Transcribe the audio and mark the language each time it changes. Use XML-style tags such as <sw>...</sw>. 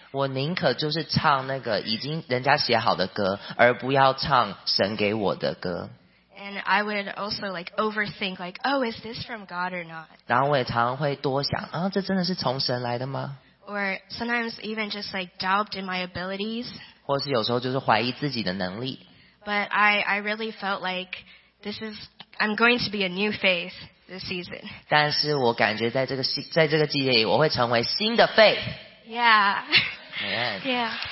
<zh>我宁可就是唱那个已经人家写好的歌，而不要唱神给我的歌。</zh> <en>And I would also like overthink, like, oh, is this from God or not?</en> <zh>然后我也常会多想，啊，这真的是从神来的吗？</zh> <en>Or sometimes even just like doubt in my abilities.</en> <zh>或是有时候就是怀疑自己的能力。</zh> <en>But I really felt like this is I'm going to be a new faith this season.</en> <zh>但是我感觉在这个季节里，我会成为新的 faith.</zh> <en>Yeah. Amen. Yeah.</en>